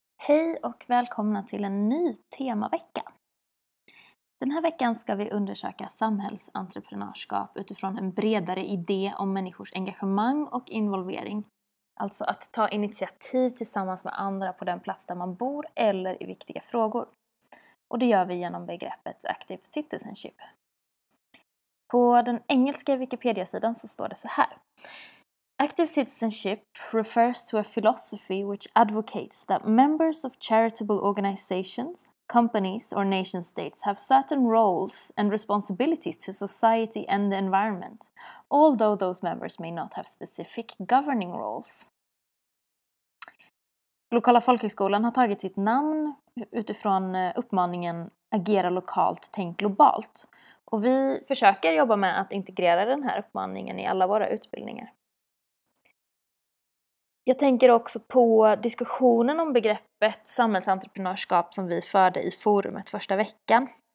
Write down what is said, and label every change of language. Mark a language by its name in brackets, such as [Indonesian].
[Swedish] Hej och välkomna till en ny temavecka. Den här veckan ska vi undersöka samhällsentreprenörskap utifrån en bredare idé om människors engagemang och involvering. Alltså att ta initiativ tillsammans med andra på den plats där man bor eller i viktiga frågor. Och det gör vi genom begreppet Active Citizenship. På den engelska Wikipedia-sidan så står det så här: [English] Active citizenship refers to a philosophy which advocates that members of charitable organizations, companies or nation states have certain roles and responsibilities to society and the environment, although those members may not have specific governing roles. [Swedish] Lokala folkhögskolan har tagit sitt namn utifrån uppmaningen agera lokalt, tänk globalt. Och vi försöker jobba med att integrera den här uppmaningen i alla våra utbildningar. Jag tänker också på diskussionen om begreppet samhällsentreprenörskap som vi förde i forumet första veckan.